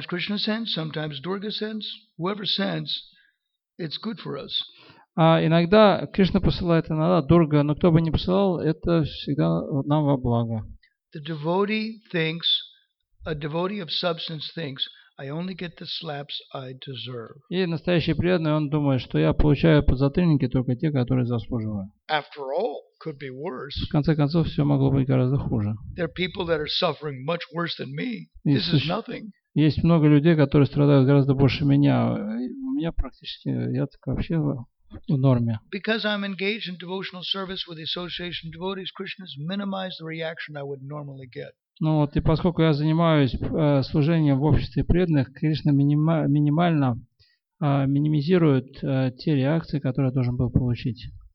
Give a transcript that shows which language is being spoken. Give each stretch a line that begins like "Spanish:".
English: Sometimes Krishna sends, sometimes Durga sends. Whoever sends, it's good for us.
Russian: Иногда Кришна посылает, иногда Дурга, но кто бы ни посылал, это всегда нам во благо.
English: The devotee thinks, a devotee of substance thinks, I only get the slaps I deserve.
Russian: И настоящий преданный, он думает, что я получаю подзатыльники только те, которые заслуживаю.
English: After all, could be worse.
Russian: В конце концов, все могло быть гораздо хуже.
English: There are people that are suffering much worse than me. This is nothing.
Russian: Есть много людей, которые страдают гораздо больше меня. У меня практически, я так вообще в норме.
English: Because I'm engaged in devotional service with the association devotees, Krishna's minimized the reaction I would normally get.
Russian: Ну вот, и поскольку я занимаюсь служением в обществе преданных, Кришна минимально минимизирует те реакции, которые я должен был получить.